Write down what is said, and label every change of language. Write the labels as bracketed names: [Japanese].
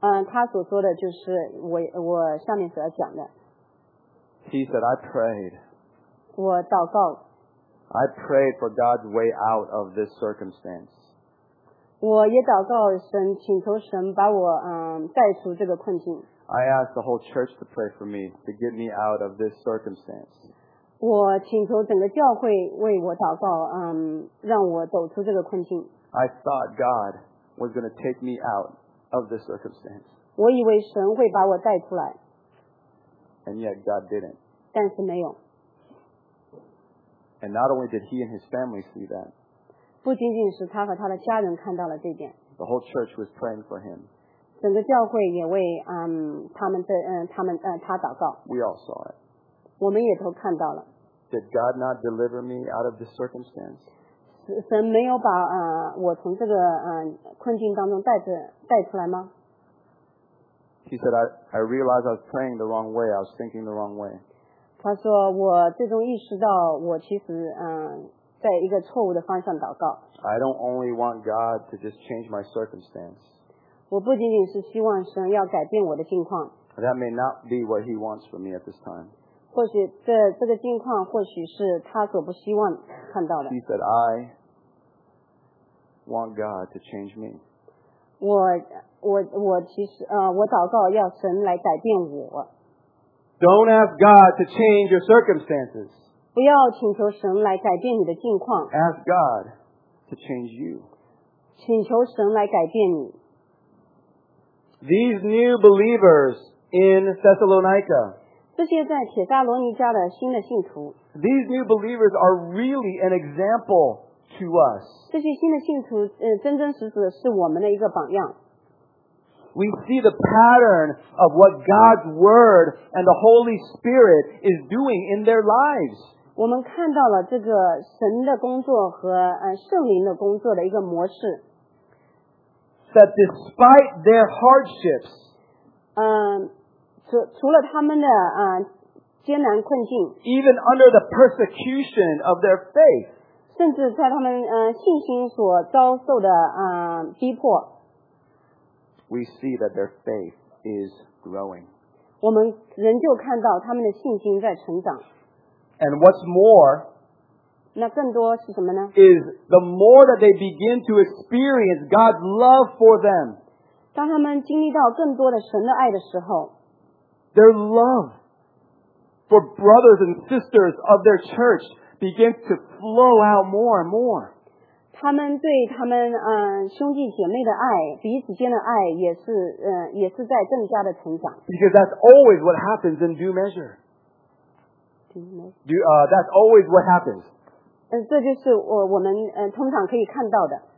[Chinese] 他所说的就是 我下面所要讲的。 [English] He said, I prayed. [Chinese] 我祷告。 [English] I prayed for God's way out of this circumstance. [Chinese] 我也祷告神，请求神把我带出这个困境。 [English] I asked the whole church to pray for me, to get me out of this circumstance. [Chinese] 我请求整个教会为我祷告让我走出这个困境。 [English] I thought God was going to take me out. Of this circumstance. [Chinese] 我以为神会把我带出来。 [English] And yet God didn't. [Chinese] 但是没有。 [English] And not only did he and his family see that. [Chinese] 不仅仅是他和他的家人看到了这点。 [English] The whole church was praying for him. [Chinese] 整个教会也为他祷告。 [English] We all saw it. [Chinese] 我们也都看到了。 [English] Did God not deliver me out of this circumstance? [Chinese] 神没有把我从这个困境当中带出来吗？ [English] He said, I realized I was praying the wrong way. I was thinking the wrong way. [Chinese] 他说我最终意识到我其实在一个错误的方向祷告。 [English] I don't only want God to just change my circumstance. [Chinese] 我不仅仅是希望神要改变我的境况。 [English] That may not be what He wants for me at this time. [Chinese] 或许这个境况或许是他所不希望看到的。 [English] He said, I want God to change me. [Chinese] 我其实我祷告要神来改变我。 [English] Don't ask God to change your circumstances. [Chinese] 不要请求神来改变你的境况。 [English] Ask God to change you. [Chinese] 请求神来改变你。 [English] These new believers in Thessalonica. [Chinese] 这些在帖撒罗尼迦的新的信徒 [English] These new believers are really an example to us. [Chinese] 这些新的信徒真真实实是我们的一个榜样。 [English] We see the pattern of what God's Word and the Holy Spirit is doing in their lives. [Chinese] 我们看到了这个神的工作和圣灵的工作的一个模式。 [English] That despite their hardships, [Chinese] 除了他们的艰难困境 [English] ，even under the persecution of their faith， [Chinese] 甚至在他们信心所遭受的逼迫 [English] ，we see that their faith is growing。 [Chinese] 我们仍旧看到他们的信心在成长。 [English] And what's more， [Chinese] 那更多是什么呢 [English] ？Is the more that they begin to experience God's love for them， [Chinese] 当他们经历到更多的神的爱的时候。 [English] Their love for brothers and sisters of their church begins to flow out more and more. [Chinese] 他们对他们兄弟姐妹的爱，彼此间的爱也是在更加的成长。 [English] Because that's always what happens in due measure. That's always what happens. [Chinese] 这就是我们通常可以看到的。